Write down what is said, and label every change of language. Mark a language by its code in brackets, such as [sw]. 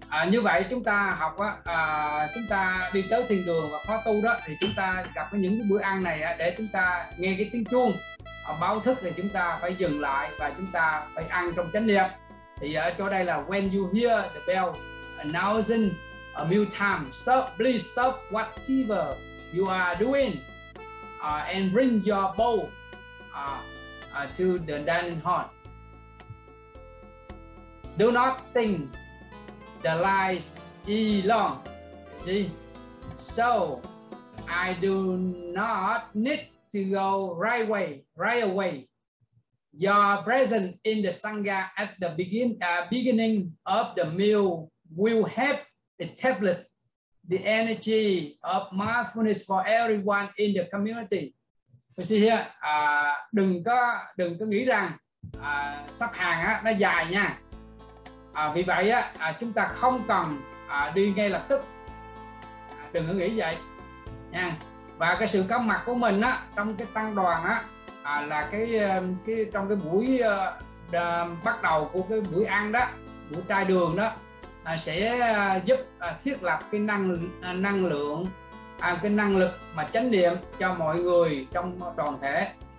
[vi] Như vậy chúng ta học á, chúng ta đi tới thiền đường và khóa tu đó, thì chúng ta gặp những bữa ăn này để chúng ta nghe cái tiếng chuông báo thức, thì chúng ta phải dừng lại và chúng ta phải ăn trong chánh niệm. Thì ở chỗ đây là [en] when you hear the bell announcing a mealtime, stop, please stop whatever you are doing and bring your bowl to the dining hall. Do not think the lies is long. See? So I do not need to go right away. Your presence in the Sangha at the beginning of the meal will help establish the energy of mindfulness for everyone in the community. You see here, [vi] đừng có nghĩ rằng sắp hàng á nó dài nha. Vì vậy á, chúng ta không cần đi ngay lập tức. Đừng có nghĩ vậy nha. Và cái sự có mặt của mình á trong cái tăng đoàn á, là cái trong cái buổi bắt đầu của cái buổi ăn đó, buổi chai đường đó, sẽ giúp thiết lập cái năng lực mà chánh niệm cho mọi người trong toàn thể.